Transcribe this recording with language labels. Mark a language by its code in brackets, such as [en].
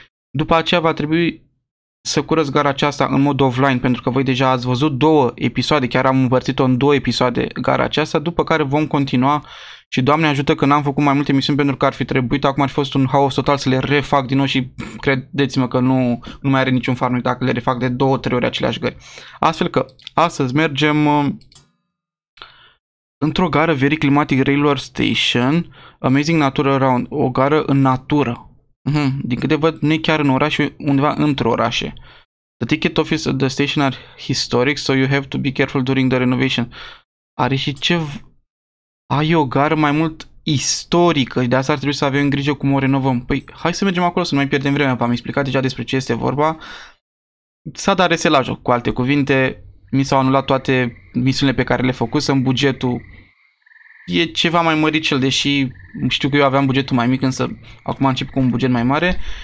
[ro] După aceea va trebui să curăț gara aceasta în mod offline, pentru că voi deja ați văzut două episoade, chiar am împărțit-o în două episoade gara aceasta, după care vom continua și Doamne ajută că n-am făcut mai multe misiuni pentru că ar fi trebuit, acum ar fi fost un haos total să le refac din nou și credeți-mă că nu mai are niciun farmec dacă le refac de două, trei ori aceleași gări. Astfel că astăzi mergem într-o gară Very Climatic Railroad Station, Amazing Nature Around, o gară în natură. Din câte văd, nu e chiar în oraș, undeva într-o orașe. [en] The ticket office of the station are historic, so you have to be careful during the renovation. [ro] Are și ce... Ai o gară mai mult istorică, de asta ar trebui să avem grijă cum o renovăm. Păi, hai să mergem acolo să nu mai pierdem vremea, v-am explicat deja despre ce este vorba. S-a dat reset la joc, cu alte cuvinte, mi s-au anulat toate misiunile pe care le făcusem, bugetul e ceva mai mărit cel, deși știu că eu aveam bugetul mai mic, însă acum încep cu un buget mai mare.